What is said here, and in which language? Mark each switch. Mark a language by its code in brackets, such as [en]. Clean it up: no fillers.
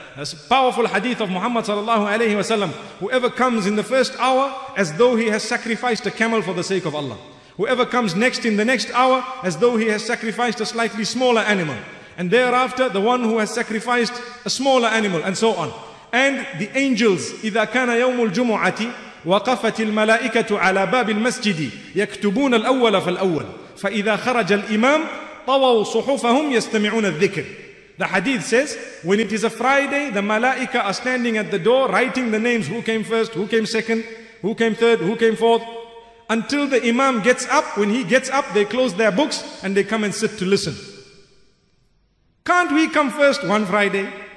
[en] That's a powerful hadith of Muhammad sallallahu alayhi wa sallam. Whoever comes in the first hour, as though he has sacrificed a camel for the sake of Allah. Whoever comes next in the next hour, as though he has sacrificed a slightly smaller animal. And thereafter, the one who has sacrificed a smaller animal, and so on. And the angels, [ar] إِذَا كَانَ يَوْمُ الْجُمُعَةِ وقفت الملائكة على باب المسجد يكتبون الأول فالأول فإذا خرج الإمام طووا صحفهم يستمعون الذكر. [en] The hadith says, when it is a Friday, the malaika are standing at the door writing the names, who came first, who came second, who came third, who came fourth, until the imam gets up. When he gets up, they close their books and they come and sit to listen. Can't we come first one Friday?